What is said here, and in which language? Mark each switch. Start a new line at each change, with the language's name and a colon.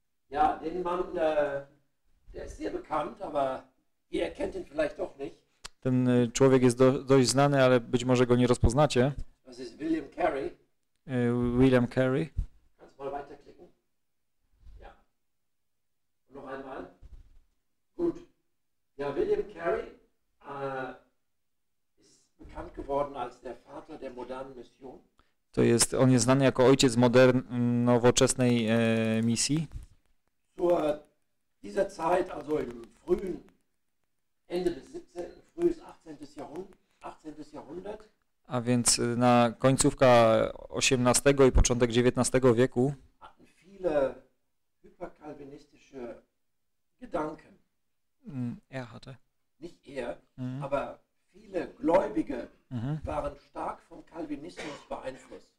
German: Ja, ten man, der ist sehr bekannt, aber ihr erkennt ihn vielleicht doch nicht.
Polish: Ten człowiek jest dość znany, ale być może go nie rozpoznacie.
German: Das ist William Carey. William Carey. Kannst mal weiterklicken. Ja. Und noch einmal. Gut. Ja, William Carey ist bekannt geworden als der Vater der modernen Mission.
Polish: To jest, on jest znany jako ojciec nowoczesnej misji.
German: Zur dieser Zeit, also im frühen Ende des 17. frühes 18. Jahrhundert.
Polish: A więc na końcówka 18 i początek 19 wieku.
German: Viele hyperkalvinistische Gedanken. Hatte. Nicht er, aber viele Gläubige waren stark vom Calvinismus beeinflusst.